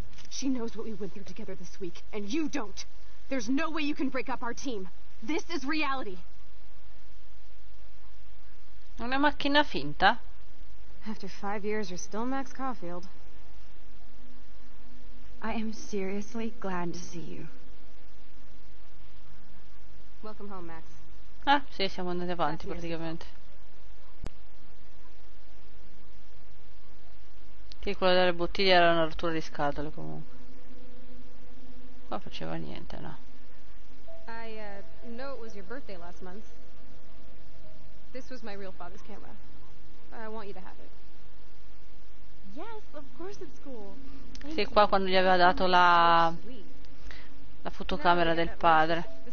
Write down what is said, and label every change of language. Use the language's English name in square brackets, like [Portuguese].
[English] She knows what we went through together this week, and you don't. There's no way you can break up our team. This is reality. [Italian] Una macchina finta. [English] After 5 years, you're still Max Caulfield. I am seriously glad to see you. Welcome home, Max. [Italian] Ah, sì, siamo andati avanti praticamente. Che quello delle bottiglie era una rottura di scatole comunque. Qua faceva niente, no. [English] I know it was your birthday last month. This was my real father's camera. I want you to have it. Yes, of course it's cool. [Italian] Sì, qua quando gli aveva dato la fotocamera del padre.